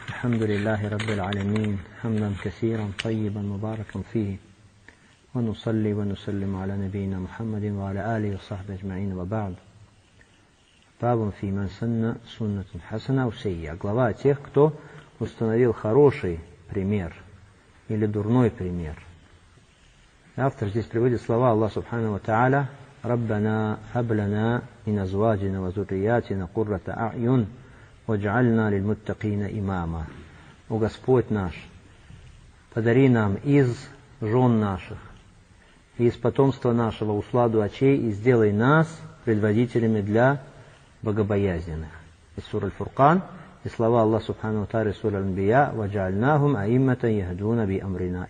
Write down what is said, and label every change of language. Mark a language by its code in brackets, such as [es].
[ar] الحمد لله رب العالمين، حمدا كثيرا طيبا مباركا فيه، ونصلي ونسلم على نبينا محمد وعلى آله وصحبه أجمعين، وبعد. باب في من سن سنة حسنة أو سيئة. [ru] Глава тех, кто установил хороший пример или дурной пример. Автор здесь приводит слова Аллаха Субханаху ва Тааля: [ar] ربنا هب لنا من أزواجنا وذرياتنا قرة أعين وجعلنا للمتقين إماما. [ru] О Господь наш, подари нам из жен наших и из потомства нашего усладу очей и сделай нас предводителями для богобоязненных. Из сура Аль-Фуркан и слова Аллаха Субхану Тааля сура Аль-Анбия: [ar] وجعلناهم أئمة يهدون بأمرنا.